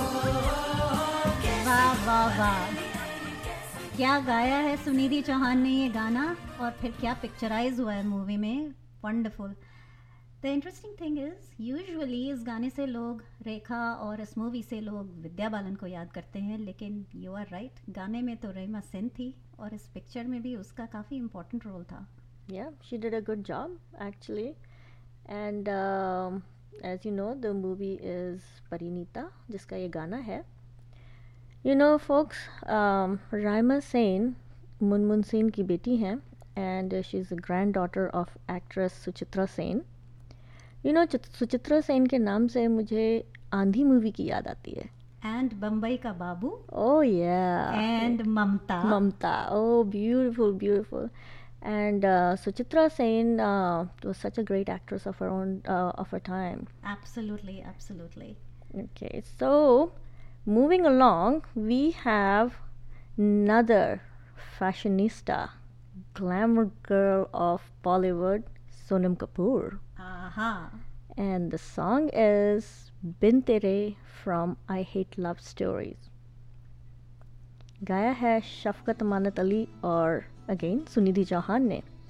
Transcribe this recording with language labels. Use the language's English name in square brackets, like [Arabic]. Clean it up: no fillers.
[Hindi] आवाज, क्या गाया है सुनिधि चौहान ने ये गाना और फिर क्या पिक्चराइज हुआ है मूवी में, wonderful. [English] the interesting thing is usually [Hindi] इस गाने से लोग रेखा और इस मूवी से लोग विद्या बालन को याद करते हैं, लेकिन [English] you are right, [Hindi] गाने में तो रहीमा सेन थी और इस पिक्चर में भी उसका काफ़ी इम्पोर्टेंट रोल था. [English] Yeah, she did a good job actually. And as you know, the movie is Parinita, [Hindi] jiska ye gana hai. [English] You know, folks, Rahima Sen Munmun Sen [Hindi] ki beti hai, [English] and she's the granddaughter of actress Suchitra Sen. You know, [Hindi] Suchitra Sen ke naam se mujhe Aandhi movie ki yaad aati hai. [English] And Bombay ka Babu. Oh yeah. And Mamta. Mamta. Oh, beautiful, beautiful. And Suchitra Sen was such a great actress of her own of her time. Absolutely, absolutely. Okay, so moving along, we have another fashionista, glamour girl of Bollywood, Sonam Kapoor. Aha. And the song is Bin Tere from I Hate Love Stories. [Hindi] गाया है शफकत अमानत अली और again Sunidhi Chauhan ने.